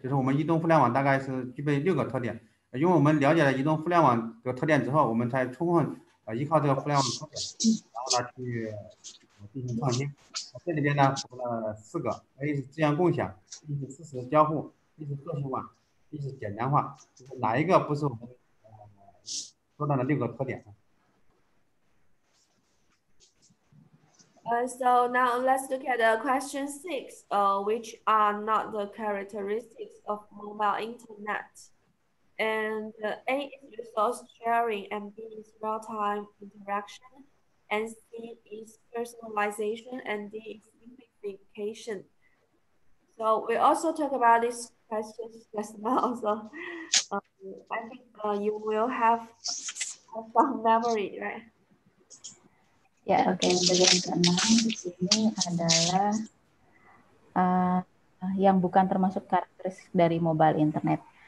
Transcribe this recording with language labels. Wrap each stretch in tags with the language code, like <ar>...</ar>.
<zh>就是我们移动互联网大概是具备六个特点，因为我们了解了移动互联网的特点之后，我们才充分依靠这个互联网特点，然后呢去进行创新。这里边呢说了四个：A 是资源共享，B 是实时交互，C 是个性化，D 是简单化。就是哪一个不是我们说到的六个特点？</zh> <en>So now let's look at question six, which are not the characteristics of mobile internet. And A is resource sharing, and B is real-time interaction, and C is personalization, and D is simplification. So we also talk about these questions just now. So I think you will have some memory, right?</en> <id>Ya, oke. Okay. Bagian keenam di sini adalah yang bukan termasuk karakteristik dari mobile internet.</id>